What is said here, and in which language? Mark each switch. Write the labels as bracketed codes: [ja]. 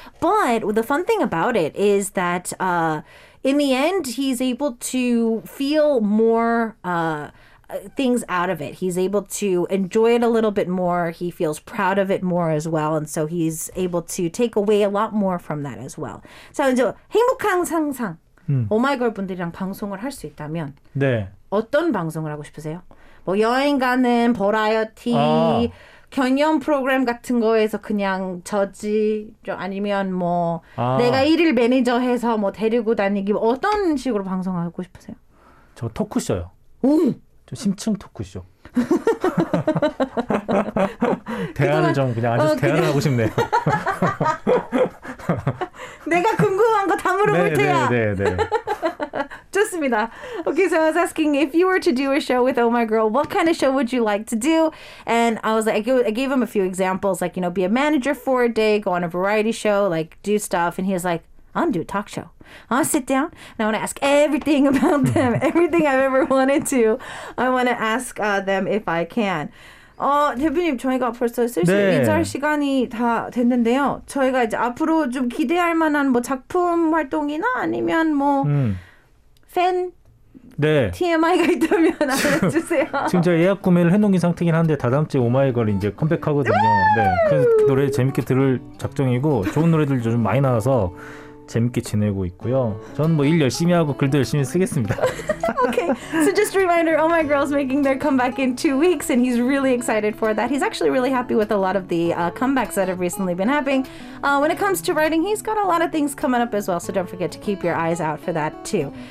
[en] But the fun thing about it is that in the end, he's able to feel more things out of it. He's able to enjoy it a little bit more. He feels proud of it more as well. And so he's able to take away a lot more from that as well. [ko] 자, 이제 행복한 상상. 오마이걸 분들이랑 방송을 할 수 있다면 네. 어떤 방송을 하고 싶으세요? 뭐 여행 가는 버라이어티 경연 프로그램 같은 거에서 그냥 저지 아니면 뭐 내가 일일 매니저 해서 뭐 데리고 다니기 뭐 어떤 식으로 방송하고 싶으세요? 저 토크쇼요. 좀 심층 토크쇼. 대화를 그동안, 좀 그냥 아주 대화를 하고 싶네요. 내가 궁금한 거 다 물어볼 테야. 네, 네, 네. 좋습니다. [en] Okay, so I was asking if you were to do a show with Oh My Girl, what kind of show would you like to do? And I was like, I gave him a few examples, like, you know, be a manager for a day, go on a variety show, like, do stuff. And he was like, I want to do a talk show. I want to sit down and I want to ask everything about them, everything I've ever wanted to. I want to ask them if I can. [ko] 대표님, 저희가 벌써 슬슬 네. 인사할 시간이 다 됐는데요. 저희가 이제 앞으로 좀 기대할 만한 뭐 작품 활동이나 아니면 뭐 팬 네. TMI가 있다면 알려주세요. 지금 제가 예약 구매를 해놓은 상태긴 한데 다다음 주에 오마이걸 이제 컴백하거든요. 네. 그 노래 재밌게 들을 작정이고 좋은 노래들 좀 많이 나와서 재밌게 지내고 있고요. 저는 뭐 일 열심히 하고 글도 열심히 쓰겠습니다. [en] Okay, so just a reminder, Oh My Girl's making their comeback in 2 weeks and he's really excited for that. He's actually really happy with a lot of the comebacks that have recently been happening. When it comes to writing, he's got a lot of things coming up as well, so don't forget to keep your eyes out for that too.